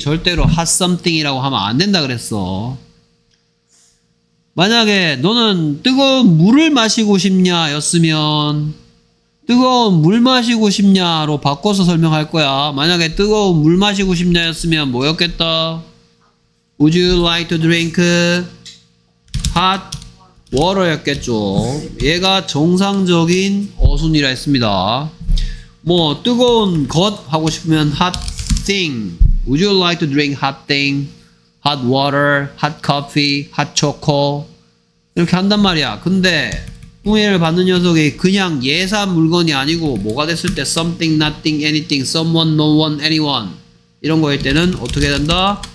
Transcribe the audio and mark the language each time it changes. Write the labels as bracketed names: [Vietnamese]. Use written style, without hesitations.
[Korean] 절대로 [English] hot something [Korean] 이라고 하면 안 된다 그랬어. 만약에 너는 뜨거운 물을 마시고 싶냐 였으면 뜨거운 물 마시고 싶냐로 바꿔서 설명할 거야. 만약에 뜨거운 물 마시고 싶냐 였으면 뭐였겠다? [English] Would you like to drink hot water [Korean] 였겠죠. 얘가 정상적인 어순이라 했습니다. 뭐 뜨거운 것 하고 싶으면 hot thing. [English] Would you like to drink hot thing? Hot water, hot coffee, hot choco. [Korean] 이렇게 한단 말이야. 근데 후회를 받는 녀석이 그냥 예산 물건이 아니고 뭐가 됐을 때 something, nothing, anything, someone, no one, anyone 이런 거일 때는 어떻게 된다?